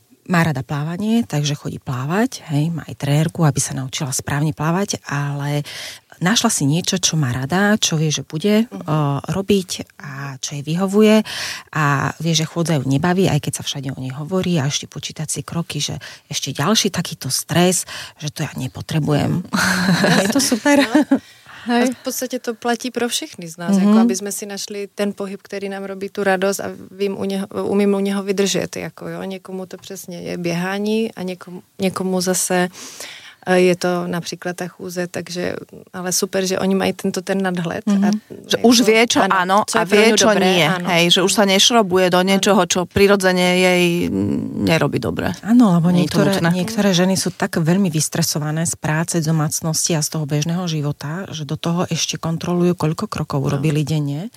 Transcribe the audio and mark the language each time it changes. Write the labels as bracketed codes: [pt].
[sk] Má rada plávanie, takže chodí plávať, hej, má aj trénerku, aby sa naučila správne plávať, ale našla si niečo, čo má rada, čo vie, že bude robiť a čo jej vyhovuje a vie, že chôdza ju nebaví, aj keď sa všade o nej hovorí a ešte počítať si kroky, že ešte ďalší takýto stres, že to ja nepotrebujem. Je to super. [cs] Hej. A v podstate to platí pro všechny z nás, jako aby sme si našli ten pohyb, který nám robí tu radosť a umím u něho vydržet. Jako, jo? Někomu to přesně je běhání a někomu zase je to například ta chůze, takže, ale super, že oni mají tento ten nadhled. [sk] A, že jako, už vie, čo áno a vie, čo nie. Hej, že už sa nešrobuje do niečoho, čo prirodzene jej nerobí dobre. Áno, lebo niektoré ženy sú tak veľmi vystresované z práce, z domácnosti a z toho bežného života, že do toho ešte kontrolujú, koľko krokov urobili denne.